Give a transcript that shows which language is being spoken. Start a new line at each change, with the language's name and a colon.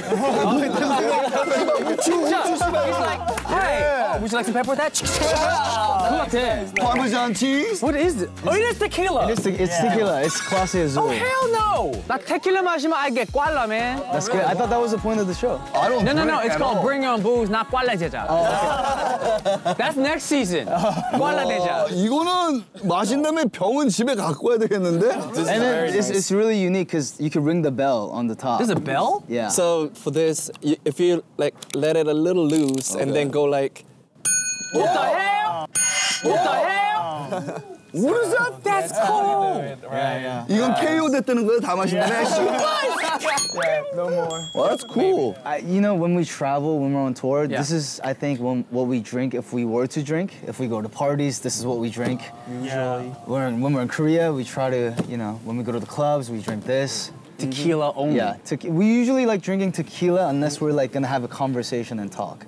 English: Would you like some pepper with that? Parmesan cheese? What is it? Oh, it is tequila. It's tequila. It's classy as well. Oh, hell no! Like tequila, mashima, I get guala, man. That's good. I thought that was the point of the show. I don't know. No. It's called Bring Your Own Booze, not guala deja. Oh, okay. That's next season. Guala deja.
Korean: 이거는 마신 다음에 병은 집에 갖고 와야 되겠는데?
English: And it's really unique because you can ring the bell on the top. There's a bell? Yeah. So for this, if you like let it a little loose and then go like, what the hell? What the hell? What is that? That's cool. Yeah, yeah.
Korean: 이건 KO 됐다는 거야, 다 마신 다음에?
English: No more. Well, that's cool. When we travel, when we're on tour, this is, I think, what we drink if we were to drink. If we go to parties, this is what we drink. Usually. When we're in Korea, we try to, when we go to the clubs, we drink this. Tequila only. Yeah, we usually like drinking tequila unless we're like gonna have a conversation and talk.